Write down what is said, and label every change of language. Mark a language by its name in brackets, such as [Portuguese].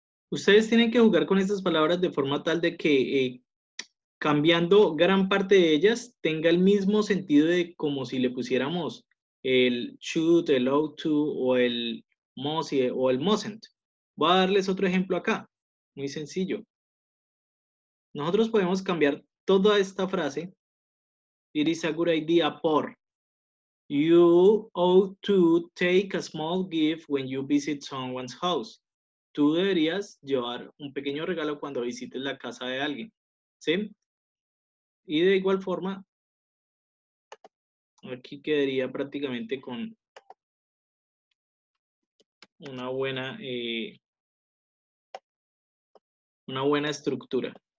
[Spanish] Ustedes tienen que jugar con estas palabras de forma tal de que cambiando gran parte de ellas tenga el mismo sentido de como si le pusiéramos el should, el ought to o el must o el mustn't. Voy a darles otro ejemplo acá, muy sencillo. Nosotros podemos cambiar toda esta frase. [English] It is a good idea por you ought to take a small gift when you visit someone's house. [Spanish] Tú deberías llevar un pequeño regalo cuando visites la casa de alguien, ¿sí? Y de igual forma, aquí quedaría prácticamente con una buena estructura.